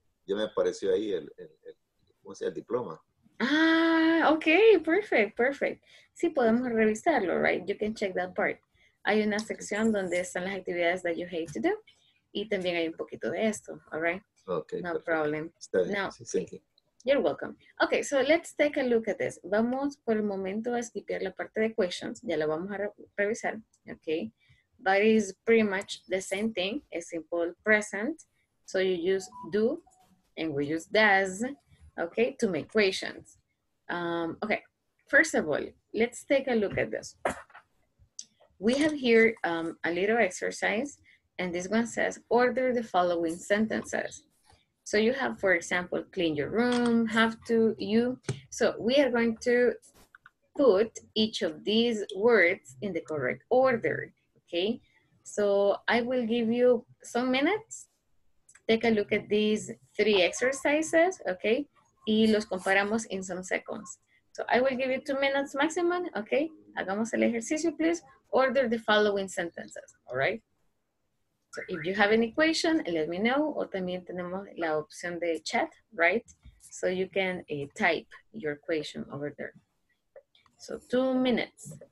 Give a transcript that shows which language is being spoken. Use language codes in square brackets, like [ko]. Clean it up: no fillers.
[es] Ya me apareció ahí el diploma. [en] Ah, ok. Perfect. [es] Sí, podemos revisarlo, [en] right? You can check that part. [es] Hay una sección donde están las actividades [en] that you hate to do. [es] Y también hay un poquito de esto, [en] all right? Okay. No problem. No, you're welcome. Okay, so let's take a look at this. [es] Vamos por el momento a skipear la parte de questions. Ya la vamos a revisar, okay? [en] But it's pretty much the same thing. A simple present. So you use do and we use does, okay, to make questions. Okay, first of all, let's take a look at this. We have here a little exercise. And this one says, order the following sentences. So you have, for example, clean your room, have to, you. So we are going to put each of these words in the correct order, okay? So I will give you some minutes. Take a look at these three exercises, okay? [es] Y los comparamos [en] in some seconds. So I will give you 2 minutes maximum, okay? [es] Hagamos el ejercicio, [en] please. Order the following sentences, all right? So if you have an equation, let me know. [es] O también tenemos la opción de chat, right? [en] So you can type your equation over there. So 2 minutes.